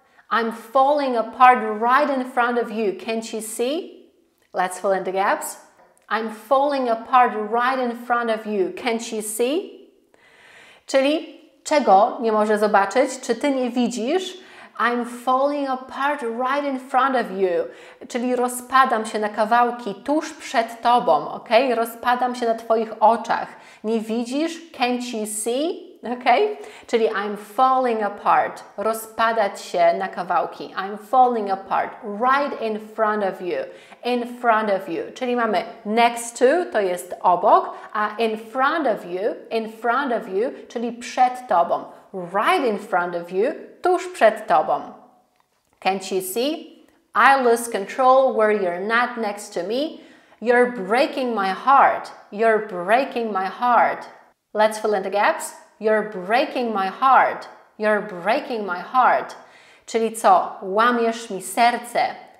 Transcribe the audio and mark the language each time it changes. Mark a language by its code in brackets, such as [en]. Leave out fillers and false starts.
[en] I'm falling apart right in front of you, can't you see? Let's fill in the gaps. I'm falling apart right in front of you, can't you see? [pl] Czyli czego nie może zobaczyć, czy ty nie widzisz? [en] I'm falling apart right in front of you. [pl] Czyli rozpadam się na kawałki tuż przed tobą, ok? Rozpadam się na twoich oczach. Nie widzisz? [en] Can't you see? Ok? Czyli I'm falling apart. [pl] Rozpadać się na kawałki. [en] I'm falling apart right in front of you. In front of you. [pl] Czyli mamy next to jest obok, a [en] in front of you, [pl] czyli przed tobą. [en] Right in front of you, [pl] tuż przed tobą. [en] Can't you see? I lose control where you're not next to me. You're breaking my heart. You're breaking my heart. Let's fill in the gaps. You're breaking my heart. You're breaking my heart. [pl] Czyli co? Łamiesz mi serce.